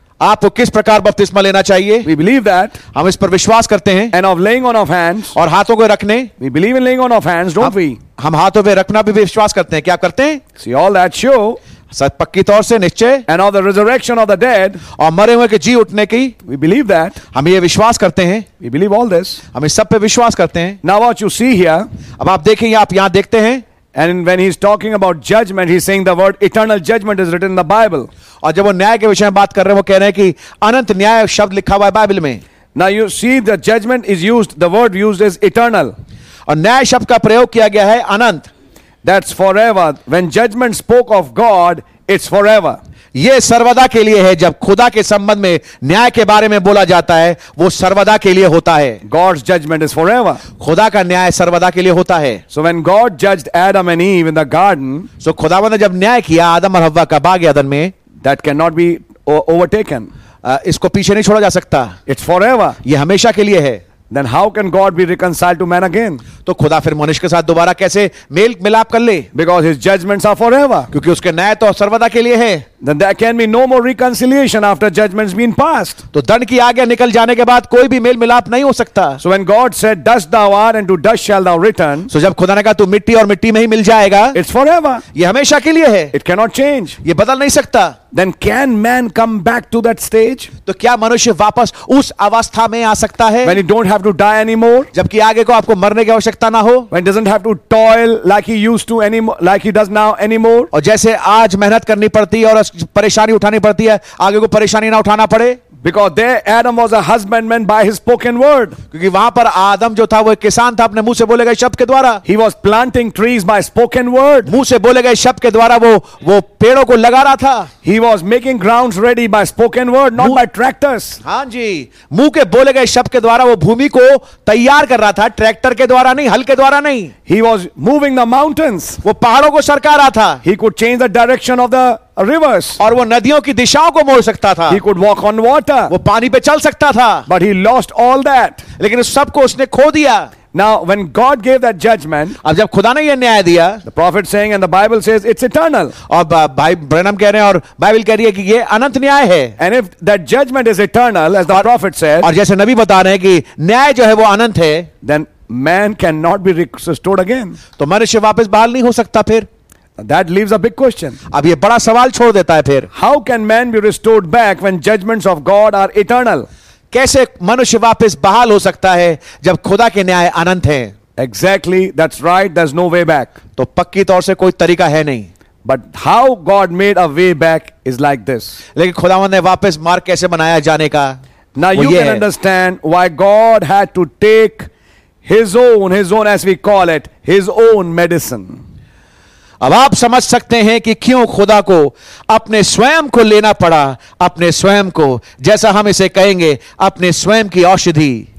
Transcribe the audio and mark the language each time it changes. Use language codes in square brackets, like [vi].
[hi] आपको किस प्रकार बपतिस्मा लेना चाहिए. [en] We believe that. [hi] हम इस पर विश्वास करते हैं. [en] And of laying on of hands. [hi] और हाथों को रखने. [en] We believe in laying on of hands, don't we? [hi] हम हाथों पे रखना भी विश्वास करते हैं. क्या करते हैं? [en] See all that show. [hi] सच पक्की तौर से निश्चय. [en] And of the resurrection of the dead. [hi] और मरे हुए के जी उठने की. [en] We believe that. [hi] हम ये विश्वास करते हैं. [en] We believe all this. [hi] हम इस सब पे विश्वास करते हैं. [en] Now what you see here. [hi] अब आप देखेंगे, आप यहां देखते हैं. [en] And when he's talking about judgment, he's saying the word eternal judgment is written in the Bible. [hi] और जब वो न्याय के विषय में बात कर रहे हैं, वो कह रहे हैं कि अनंत न्याय शब्द लिखा हुआ है बाइबल में. [en] Now you see the judgment is used, the word used is eternal. [hi] और न्याय शब्द का प्रयोग किया गया है अनंत. [en] That's forever. When judgment spoke of God, it's forever. [hi] ये सर्वदा के लिए है. जब खुदा के संबंध में न्याय के बारे में बोला जाता है, वो सर्वदा के लिए होता है. [en] God's judgment is forever. [hi] खुदा का न्याय सर्वदा के लिए होता है. [en] So when God judged Adam and Eve in the garden, [hi] so खुदावंद ने जब न्याय किया आदम और हव्वा का बाग यदन में, [en] that cannot be overtaken. [hi] इसको पीछे नहीं छोड़ा जा सकता. [en] It's forever. [hi] ये हमेशा के लिए है. [en] Then how can God be reconciled to man again? [hi] तो खुदा फिर मनुष्य के साथ दोबारा कैसे मेल मिलाप कर ले? [en] Because his judgments are forever. [hi] क्योंकि उसके न्याय तो सर्वदा के लिए है. [en] Then there can be no more reconciliation after judgments been passed. [hi] तो दंड की आज्ञा निकल जाने के बाद कोई भी मेल मिलाप नहीं हो सकता. [en] So when God said, "Dust thou art, and to dust shall thou return." [hi] So जब खुदा ने कहा तू मिट्टी और मिट्टी में ही मिल जाएगा. [en] It's forever. [hi] ये हमेशा के लिए है. [en] It cannot change. [hi] ये बदल नहीं सकता. [en] Then can man come back to that stage? [hi] तो क्या मनुष्य वापस उस अवस्था में आ सकता है? [en] When he don't have to die anymore. [hi] जबकि आगे को आपको मरने की आवश्यकता ना हो. [en] When doesn't have to toil like he used to anymore, like he does now anymore. [hi] और जैसे आज मेहनत करनी पड़ती है और परेशानी उठानी पड़ती है, आगे को परेशानी ना उठाना पड़े. [en] Because there Adam was a husbandman by his spoken word. [hi] क्योंकि वहाँ पर आदम जो था वो एक किसान था अपने मुंह से बोले गए शब्द के द्वारा. [en] He was planting trees by spoken word. [hi] मुंह से बोले गए शब्द के द्वारा वो पेड़ों को लगा रहा था. [en] He was making grounds ready by spoken word, not by tractors. [hi] हाँ जी, मुंह के बोले गए शब्द के द्वारा वो भूमि को तैयार कर रहा था, ट्रैक्टर के द्वारा नहीं, हल के द्वारा नहीं. [en] He was moving the mountains. [hi] वो पहाड़ों को सरका रहा था. [en] He could change the direction of the rivers. [hi] और वो नदियों की दिशाओं को मोड़ सकता था. [en] He could walk on water. [hi] वो पानी पे चल सकता था. [en] But he lost all that. [hi] लेकिन सब को उसने खो दिया. [en] Now when God gave that judgment, [hi] अब जब खुदा ने ये न्याय दिया, [en] the prophet saying and the Bible says it's eternal. [hi] और ब्रैनम कह रहे हैं और बाइबल कह रही है कि ये अनंत न्याय है. [en] And if that judgment is eternal, as the prophet said, [hi] और जैसे नबी बता रहे हैं कि न्याय जो है वो अनंत है, [en] then man cannot be restored again. [hi] तो मनुष्य वापस बहाल नहीं हो सकता फिर. [en] That leaves a big question. [hi] अब ये बड़ा सवाल छोड़ देता है फिर. [en] How can man be restored back when judgments of God are eternal? [hi] कैसे मनुष्य वापस बहाल हो सकता है जब खुदा के न्याय अनंत हैं? [en] Exactly, that's right. There's no way back. [hi] तो पक्की तौर से कोई तरीका है नहीं. [en] But how God made a way back is like this. [hi] लेकिन खुदावंद ने वापस मार्ग कैसे बनाया जाने का? [en] Now you can understand why God had to take his own as we call it, his own medicine. [hi] अब आप समझ सकते हैं कि क्यों खुदा को अपने स्वयं को लेना पड़ा, अपने स्वयं को, जैसा हम इसे कहेंगे, अपने स्वयं की औषधि.